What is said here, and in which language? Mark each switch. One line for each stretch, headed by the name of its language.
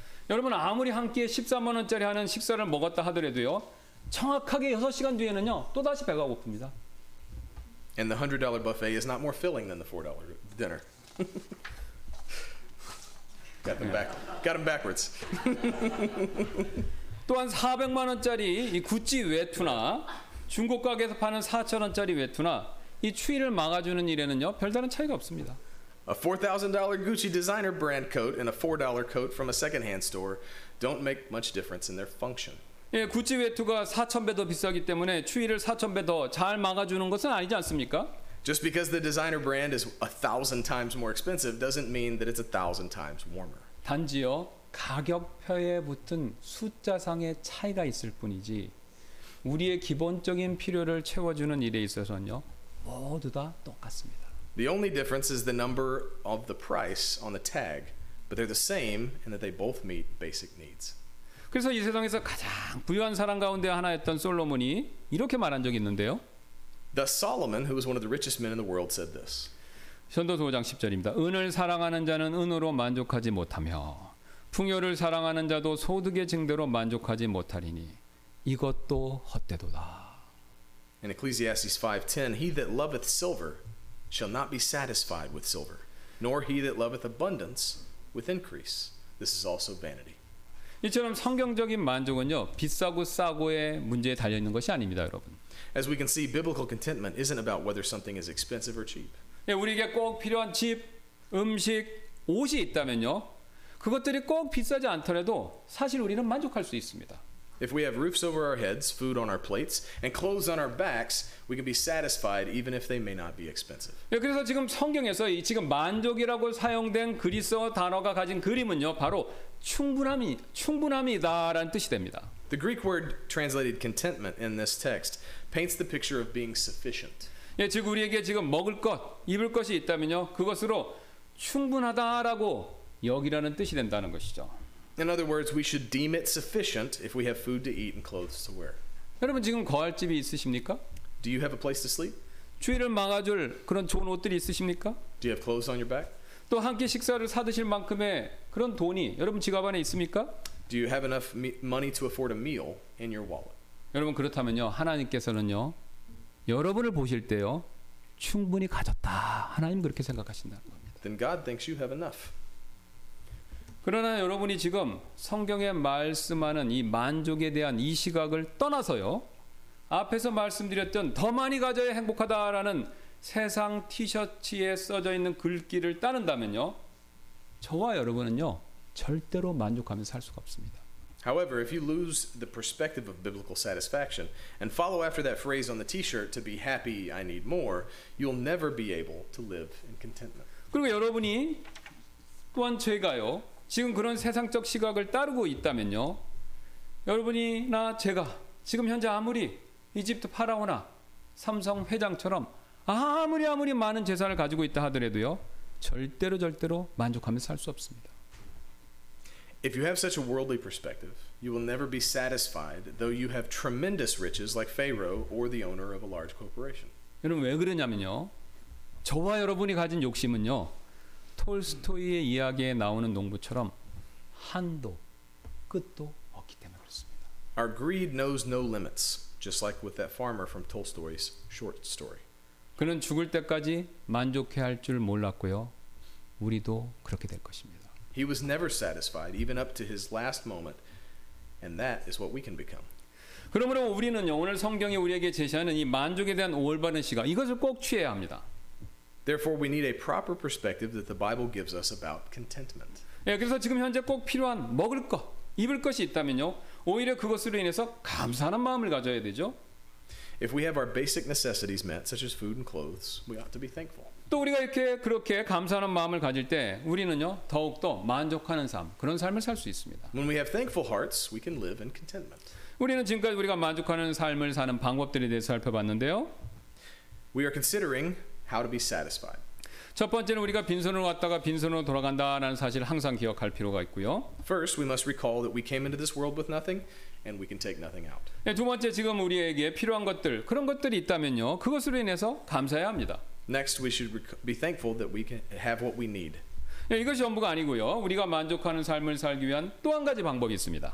Korean: 여러분 아무리 한 끼에 14만 원짜리 하는 식사를 먹었다 하더라도요, 정확하게 6시간 뒤에는요 또 다시 배가 고픕니다.
English: And the $100 buffet is not more filling than the $4 dinner. Got them back. Got them backwards.
Korean: 또한 400만 원짜리 이 구찌 외투나 중국 가게에서 파는 4천 원짜리 외투나 이 추위를 막아주는 일에는요 별다른 차이가 없습니다.
English: A $4,000 Gucci designer brand coat and a $4 coat from a secondhand store don't make much difference in their function.
Korean: 예, 구찌 외투가 4천 배 더 비싸기 때문에 추위를 4천 배 더 잘 막아주는 것은 아니지 않습니까?
English: Just because the designer brand is 1,000 times more expensive doesn't mean that it's 1,000 times warmer.
Korean: 단지요 가격표에 붙은 숫자상의 차이가 있을 뿐이지 우리의 기본적인 필요를 채워주는 일에 있어서는요 모두 다 똑같습니다.
English: The only difference is the number of the price on the tag, but they're the same in that they both meet basic needs.
Korean: 그래서 이 세상에서 가장 부유한 사람 가운데 하나였던 솔로몬이 이렇게 말한 적이 있는데요.
English: Thus Solomon, who was one of the richest men in the world, said this.
Korean: 전도서 5장 10절입니다. 은을 사랑하는 자는 은으로 만족하지 못하며 풍요를 사랑하는 자도 소득의 증대로 만족하지 못하리니 이것도 헛되도다.
English: In Ecclesiastes 5:10, he that loveth silver shall not be satisfied with silver, nor he that loveth abundance with increase. This is also vanity.
Korean: 이처럼 성경적인 만족은요 비싸고 싸고의 문제에 달려 있는 것이 아닙니다, 여러분.
English: As we can see, biblical contentment isn't about whether something is expensive or cheap.
Korean: 예, 우리에게 꼭 필요한 집, 음식, 옷이 있다면요, 그것들이 꼭 비싸지 않더라도 사실 우리는 만족할 수 있습니다.
English: If we have roofs over our heads, food on our plates, and clothes on our backs, we can be satisfied even if they may not be expensive.
Korean: 예, 그래서 지금 성경에서 이 지금 만족이라고 사용된 그리스어 단어가 가진 그림은요, 바로 충분함이다라는 뜻이 됩니다.
English: The Greek word translated contentment in this text paints the picture of being sufficient.
Korean: 예, 즉 우리에게 지금 먹을 것, 입을 것이 있다면요, 그것으로 충분하다라고 여기라는 뜻이 된다는 것이죠.
English: In other words, we should deem it sufficient if we have food to eat and clothes to wear.
Korean: 여러분 지금 거할 집이 있으십니까?
English: Do you have a place to sleep?
Korean: 추위를 막아줄 그런 좋은 옷들이 있으십니까?
English: Do you have clothes on your back?
Korean: 또 한 끼 식사를 사 드실 만큼의 그런 돈이 여러분 지갑 안에 있습니까?
English: Do you have enough money to afford a meal in your wallet?
Korean: 여러분 그렇다면요 하나님께서는요 여러분을 보실 때요 충분히 가졌다 하나님 그렇게 생각하신다는 겁니다.
English: Then God thinks you have enough.
Korean: 그러나 여러분이 지금 성경에 말씀하는 이 만족에 대한 이 시각을 떠나서요 앞에서 말씀드렸던 더 많이 가져야 행복하다라는 세상 티셔츠에 써져 있는 글귀를 따른다면요 저와 여러분은요 절대로 만족하며 살 수가 없습니다.
English: However, if you lose the perspective of biblical satisfaction and follow after that phrase on the t-shirt to be happy, I need more, you'll never be able to live in contentment.
Korean: 그리고 여러분이 또한 제가요 지금 그런 세상적 시각을 따르고 있다면요 여러분이나 제가 지금 현재 아무리 이집트 파라오나 삼성 회장처럼 아무리 많은 재산을 가지고 있다 하더라도요 절대로 만족하면서 살 수 없습니다.
English: If you have such a worldly perspective, you will never be satisfied though you have tremendous riches like Pharaoh or the owner of a large corporation.
Korean: 여러분 왜 그러냐면요 저와 여러분이 가진 욕심은요 톨스토이의 이야기에 나오는 농부처럼 한도 끝도 없기 때문에 그렇습니다.
English: Our greed knows no limits, just like with that farmer from Tolstoy's short story.
Korean: 그는 죽을 때까지 만족해 할 줄 몰랐고요. 우리도 그렇게 될 것입니다.
English: He was never satisfied even up to his last moment, and that is what we can become.
Korean: 그러므로 우리는요, 오늘 성경이 우리에게 제시하는 이 만족에 대한 올바른 시각 이것을 꼭 취해야 합니다.
English: Therefore, we need a proper perspective that the Bible gives us about contentment.
Korean: 예, 그래서 지금 현재 꼭 필요한 먹을 것, 입을 것이 있다면요, 오히려 그것으로 인해서 감사하는 마음을 가져야 되죠.
English: If we have our basic necessities met, such as food and clothes, we ought to be thankful.
Korean: 또 우리가 이렇게 그렇게 감사하는 마음을 가질 때, 우리는요 더욱 더 만족하는 삶, 그런 삶을 살 수 있습니다.
English: When we have thankful hearts, we can live in contentment.
Korean: 우리는 지금까지 우리가 만족하는 삶을 사는 방법들에 대해서 살펴봤는데요.
English: We are considering how to be satisfied.
Korean: 첫 번째는 우리가 빈손으로 왔다가 빈손으로 돌아간다라는 사실을 항상 기억할 필요가 있고요.
English: First, we must recall that we came into this world with nothing and we can take nothing out.
Korean: 네, 두 번째 지금 우리에게 필요한 것들, 그런 것들이 있다면요. 그것으로 인해서 감사해야 합니다.
English: Next, we should be thankful that we can have what we need.
Korean: 네, 이것이 전부가 아니고요. 우리가 만족하는 삶을 살기 위한 또 한 가지 방법이 있습니다.